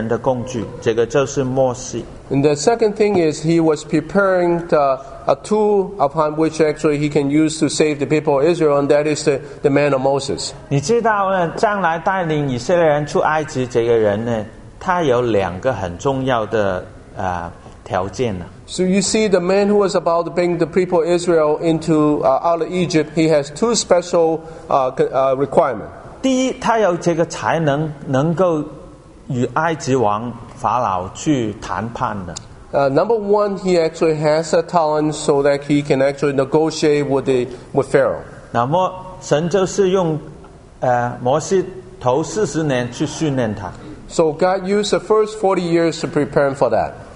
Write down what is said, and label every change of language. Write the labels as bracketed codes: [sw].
[zh] 第二样事情呢,神一直在准备他拯救以色列人的工具,这个就是摩西。 [en] And the second thing is he was preparing a tool upon which actually he can use to save the people of Israel, and that is the man of Moses. [zh] 你知道呢,将来带领以色列人出埃及这个人呢,他有两个很重要的条件呢。 [en] So you see, the man who was about to bring the people of Israel into out of Egypt, he has two special requirements. [zh] 第一,他有这个才能能够与埃及王法老去谈判的。 [en] Number one, he actually has a talent so that he can actually negotiate with Pharaoh. [zh] 那么神就是用摩西头40年去训练他。 [en] So God used the first 40 years to prepare him for that.